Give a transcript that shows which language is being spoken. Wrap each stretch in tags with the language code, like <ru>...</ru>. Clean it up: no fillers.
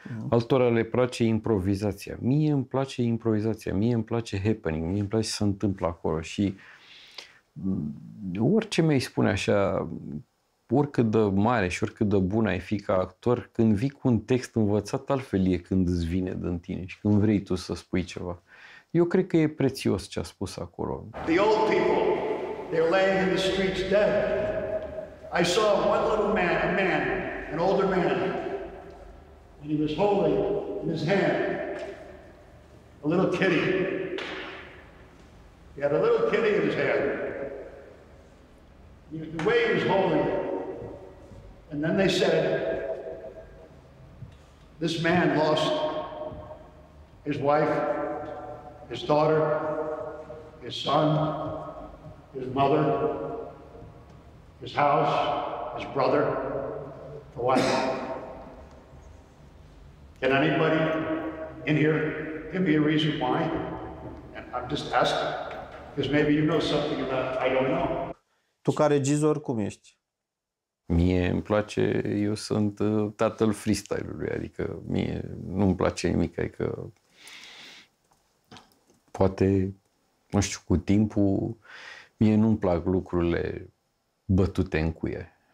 <ro>Altora le place improvizația. Mie îmi place improvizația, mie îmi place happening, mie îmi place să se întâmplă acolo. Și orice mi-ai spune așa, oricât de mare și oricât de bun ai fi ca actor, când vii cu un text învățat, altfel e când îți vine din tine și când vrei tu să spui ceva. Eu cred că e prețios ce a spus acolo.</ro> <en>The old people, they're laying in the streets dead. I saw one little man, a man, an older man. And he was holding in his hand a little kitty. He had a little kitty in his hand. The way he was holding it. And then they said, This man lost his wife, his daughter, his son, his mother, his house, his brother, the wife. Can anybody in here give me a reason why? And I'm just asking, because maybe you know something about it. I don't know.</en> <ro>Tu ca regizor, cum ești? Mie îmi place, eu sunt tatăl freestyle-ului, adică mie nu-mi place nimic, adică poate, nu știu, cu timpul, mie nu-mi plac lucrurile bătute în cuie.</ro>